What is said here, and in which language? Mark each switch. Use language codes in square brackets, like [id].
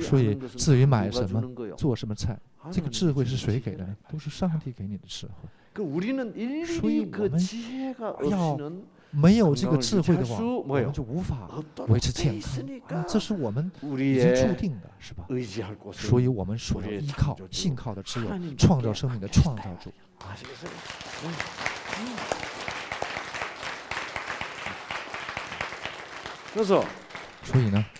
[zh] 所以至于买什么做什么菜这个智慧是谁给的呢都是上帝给你的智慧 [ko] 그우리는일일이그지혜가없이는 [zh] 没有这个智慧的话我们就无法维持健康这是我们已经注定的是吧所以我们所要依靠信靠的只有创造生命的创造主所以呢